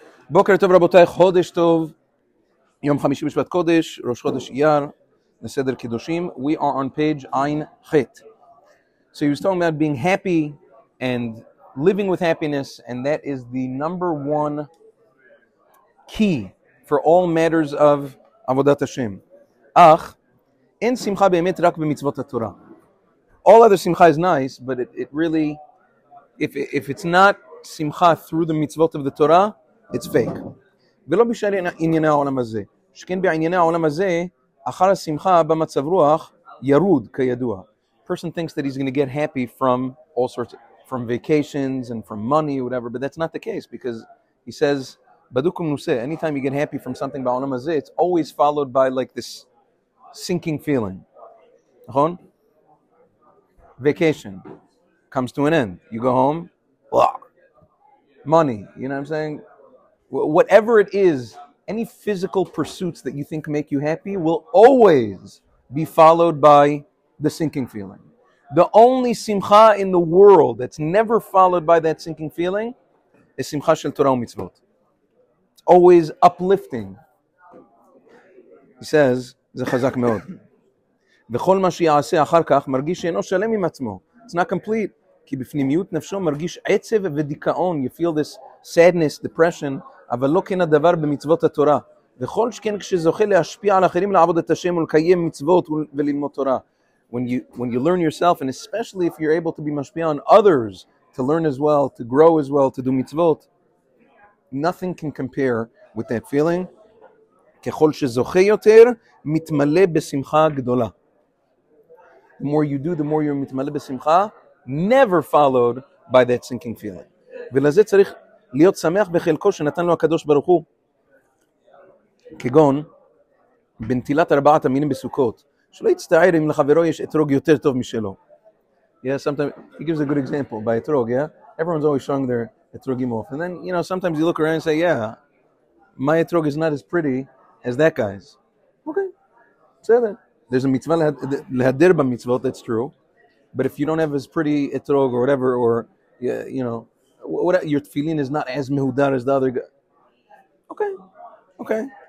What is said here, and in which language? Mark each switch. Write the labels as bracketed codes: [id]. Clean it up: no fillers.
[he] בוקר טוב רבותיי, חודש טוב, יום חמישי משבת קודש, ראש חודש אייר, לסדר קידושים. [en] We are on page Ein Chet. So he was talking about being happy and living with happiness, and that is the number one key for all matters of [he] עבודת השם. אך, אין שמחה באמת רק במצוות התורה. [en] All other simcha is nice, but it really, if it's not simcha through the mitzvot of the Torah, it's fake. [he] ולא בשאר ענייני העולם הזה. שכן בענייני העולם הזה, אחר השמחה במצב רוח, ירוד כידוע. [en] Person thinks that he's going to get happy from all sorts of, from vacations and from money or whatever, but that's not the case, because he says, [he] בדוק ומנוסה, [en] anytime you get happy from something [he] בעולם הזה, [en] it's always followed by like this sinking feeling. [he] נכון? [en] Vacation comes to an end. You go home, blah. Money, you know what I'm saying? Whatever it is, any physical pursuits that you think make you happy will always be followed by the sinking feeling. The only simcha in the world that's never followed by that sinking feeling is simcha shel Torah u'mitzvot. It's always uplifting. He says, [he] זה חזק מאוד. וכל מה שיעשה אחר כך מרגיש שאינו שלם עם עצמו. [en] It's not complete. [he] כי בפנימיות נפשו מרגיש עצב ודיכאון. [en] You feel this sadness, depression. [he] אבל לא כן הדבר במצוות התורה. וכל שכן כשזוכה להשפיע על אחרים לעבוד את השם ולקיים מצוות וללמוד תורה. [en] When you learn yourself, and especially if you're able to be משפיע on others, to learn as well, to grow as well, to do מצוות, nothing can compare with that feeling. [he] ככל שזוכה יותר, מתמלא בשמחה גדולה. [en] The more you do, the more you're [he] מתמלא בשמחה, [en] never followed by that sinking feeling. [he] ולזה צריך להיות שמח בחלקו שנתן לו הקדוש ברוך הוא, כגון בנטילת ארבעת המינים בסוכות, שלא יצטער אם לחברו יש אתרוג יותר טוב משלו. [en] Yeah, sometimes, he gives a good example by אתרוג, yeah? Everyone's always showing their אתרוגים off. And then, you know, sometimes you look around and say, yeah, my אתרוג is not as pretty as that guy's. Okay, [he] בסדר. [en] There's a mitzvah [he] להדר במצוות, [en] that's true. But if you don't have as pretty אתרוג or whatever, or, you know, what your tefillin is not as mehudar as the other guy. Okay.